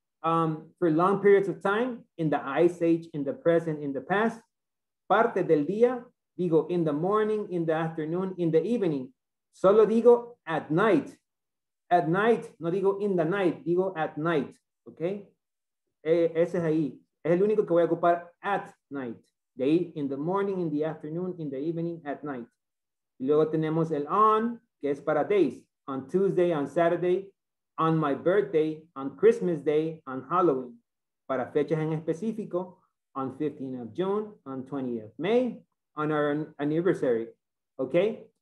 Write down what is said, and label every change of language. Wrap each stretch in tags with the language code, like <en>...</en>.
<en>For long periods of time, in the ice age, in the present, in the past.</en> <es>Parte del día, digo,</es> <en>in the morning, in the afternoon, in the evening.</en> <es>Solo digo</es> <en>at night. At night,</en> <es>no digo</es> <en>in the night, digo at night.</en> <es>Ok. Ese es ahí. Es el único que voy a ocupar</es> <en>at night.</en> <es>De ahí,</es> <en>in the morning, in the afternoon, in the evening, at night.</en> <es>Y luego tenemos el on, que es para days.</es> <en>On Tuesday, on Saturday, on my birthday, on Christmas Day, on Halloween.</en> <es>Para fechas en específico.</es> <en>On 15th of June, on 20th of May, on our anniversary, okay?</en>